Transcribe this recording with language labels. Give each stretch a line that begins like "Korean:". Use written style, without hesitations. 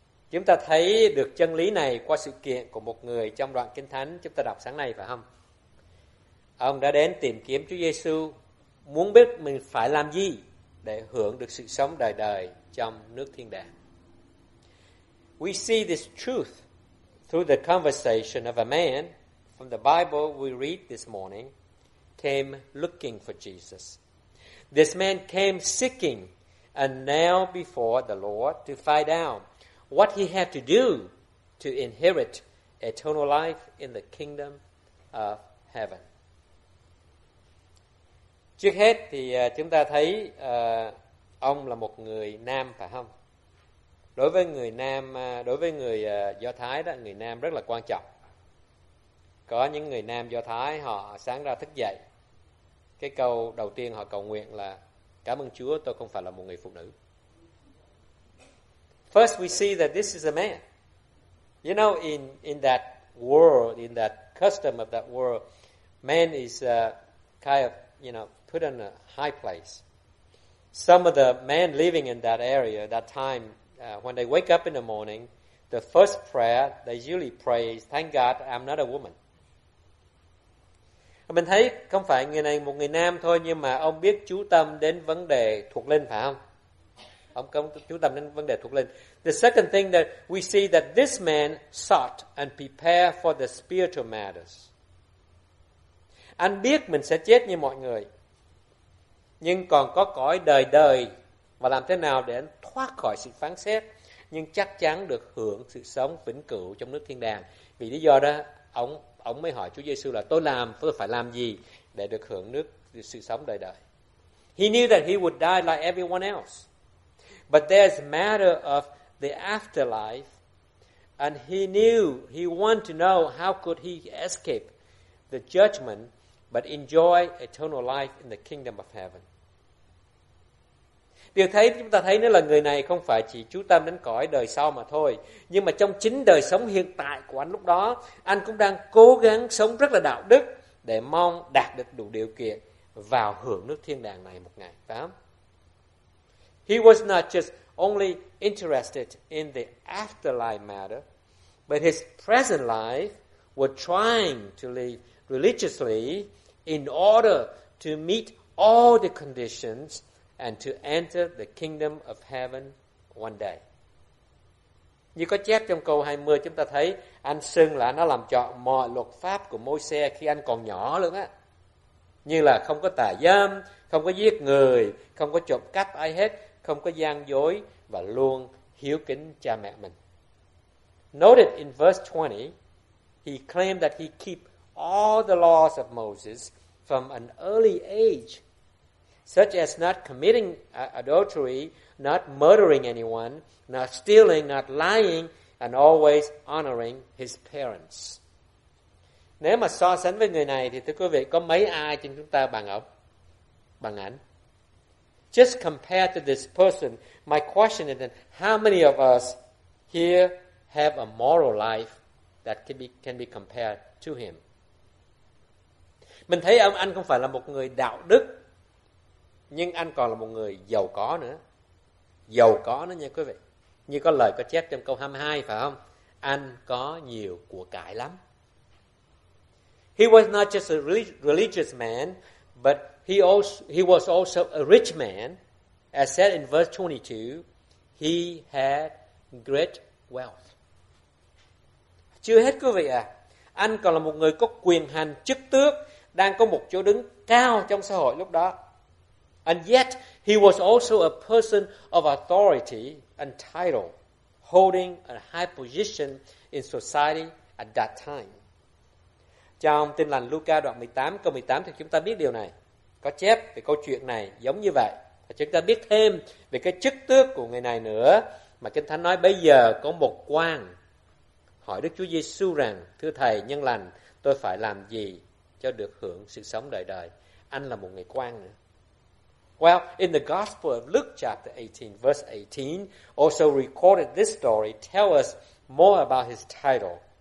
Vietnamese: Chúng ta thấy được chân lý này qua sự kiện của một người trong đoạn Kinh Thánh chúng ta đọc sáng nay, phải không? Ông đã đến tìm kiếm Chúa Giêsu, muốn biết mình phải làm gì để hưởng được sự sống đời đời trong nước thiên đàng.
English: We see this truth through the conversation of a man from the Bible we read this morning, came looking for Jesus. This man came seeking and now before the Lord to find out what he had to do to inherit eternal life in the kingdom of heaven.
Vietnamese: Trước hết thì chúng ta thấy ông là một người nam, phải không? Đối với người nam, đối với người Do Thái đó, người nam rất là quan trọng. Có những người nam Do Thái họ sáng ra thức dậy, cái câu đầu tiên họ cầu nguyện là cảm ơn Chúa tôi không phải là một người phụ nữ.
English: First we see that this is a man. You know, in that world, in that custom of that world, man is kind of, you know, put in a high place. Some of the men living in that area, that time, when they wake up in the morning, the first prayer they usually pray is, thank God I'm not a woman.
Vietnamese: Mình thấy không phải người này một người nam thôi, nhưng mà ông biết chú tâm đến vấn đề thuộc linh, phải không? Ông có chú tâm đến vấn đề thuộc linh.
English: The second thing that we see that this man sought and prepared for the spiritual matters.
Vietnamese: Anh biết mình sẽ chết như mọi người, nhưng còn có cõi đời đời, và làm thế nào để anh thoát khỏi sự phán xét, nhưng chắc chắn được hưởng sự sống vĩnh cửu trong nước thiên đàng. Vì lý do đó, ông mới hỏi Chúa Giê-xu là tôi phải làm gì để được hưởng nước sự sống đời đời.
English: He knew that he would die like everyone else. But there's a matter of the afterlife, and he knew, he wanted to know how could he escape the judgment but enjoy eternal life in the kingdom of heaven.
Vietnamese: Điều thấy chúng ta thấy nữa là người này không phải chỉ chú tâm đến cõi đời sau mà thôi, nhưng mà trong chính đời sống hiện tại của anh lúc đó, anh cũng đang cố gắng sống rất là đạo đức để mong đạt được đủ điều kiện vào hưởng nước thiên đàng này một ngày. Phải không?
English: He was not just only interested in the afterlife matter, but his present life was trying to live religiously in order to meet all the conditions and to enter the kingdom of heaven one day.
Vietnamese: Như có chép trong câu 20, chúng ta thấy anh xưng là nó làm trọn mọi luật pháp của Môi-se khi anh còn nhỏ luôn á. Như là không có tà dâm, không có giết người, không có trộm cắp ai hết, không có gian dối và luôn hiếu kính cha mẹ mình.
English: Noted in verse 20, he claimed that he keep all the laws of Moses from an early age, such as not committing adultery, not murdering anyone, not stealing, not lying, and always honoring his parents.
Vietnamese: Nếu mà so sánh với người này thì thưa quý vị, có mấy ai trong chúng ta bằng ông, bằng ảnh?
English: Just compared to this person, my question is then, how many of us here have a moral life that can be compared to him?
Vietnamese: Mình thấy anh không phải là một người đạo đức, nhưng anh còn là một người giàu có nữa. Giàu có nữa nha quý vị. Như có lời có chép trong câu 22, phải không? Anh có nhiều của cải lắm.
English: He was not just a religious man, but He was also a rich man. As said in verse 22, he had great wealth.
Vietnamese: Chưa hết quý vị à, anh còn là một người có quyền hành, chức tước, đang có một chỗ đứng cao trong xã hội lúc đó.
English: And yet, he was also a person of authority and title, holding a high position in society at that time.
Vietnamese: Trong Tin Lành Luca đoạn 18, câu 18 thì chúng ta biết điều này. Có chép về câu chuyện này giống như vậy. Và chúng ta biết thêm về cái chức tước của người này nữa. Mà Kinh Thánh nói bây giờ có một quan hỏi Đức Chúa Giê-xu rằng, thưa Thầy nhân lành, tôi phải làm gì cho được hưởng sự sống đời đời? Anh là một người quan nữa.
English: Well, in the Gospel of Luke chapter 18, verse 18, also recorded this story, tell us more about his title.